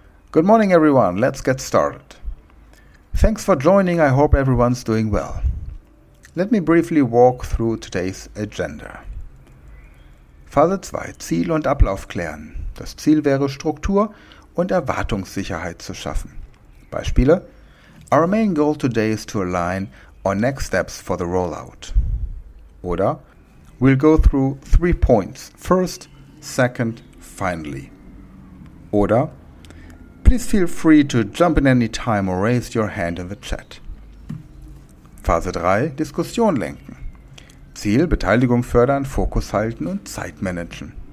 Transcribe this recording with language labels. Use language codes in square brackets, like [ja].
[en] Good morning everyone, let's get started. Thanks for joining, I hope everyone's doing well. Let me briefly walk through today's agenda. [de] Phase 2, Ziel und Ablauf klären. Das Ziel wäre, Struktur und Erwartungssicherheit zu schaffen. Beispiele. [en] Our main goal today is to align on next steps for the rollout. Oder we'll go through 3 points. First, second, finally. Oder please feel free to jump in any time or raise your hand in the chat. [de] Phase 3, Diskussion lenken. Ziel, Beteiligung fördern, Fokus halten und Zeit managen.